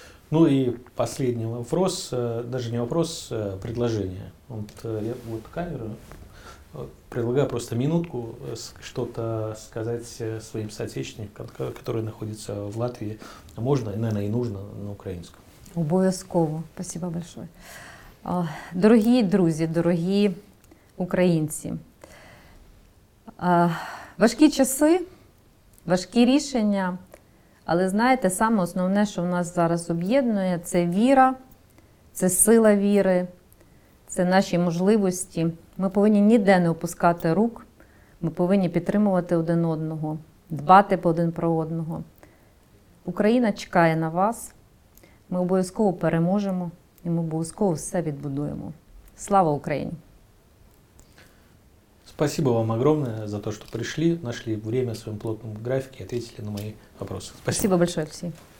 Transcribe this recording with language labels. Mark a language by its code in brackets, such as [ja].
[ru] Ну и последний вопрос, даже не вопрос, а предложение. Вот, я вот камеру предлагаю просто минутку что-то сказать своим соотечественникам, которые находятся в Латвии. Можно, наверное, и нужно на украинском. [uk] Обов'язково. [ru] Спасибо большое. Дорогие друзья, дорогие украинцы, [uk] важкі часи, важкі рішення, але знаєте, саме основне, що в нас зараз об'єднує, це віра, це сила віри, це наші можливості. Ми повинні ніде не опускати рук, ми повинні підтримувати один одного, дбати один про одного. Україна чекає на вас, ми обов'язково переможемо і ми обов'язково все відбудуємо. Слава Україні! [ru] Спасибо вам огромное за то, что пришли, нашли время в своем плотном графике и ответили на мои вопросы. Спасибо большое, Алексей.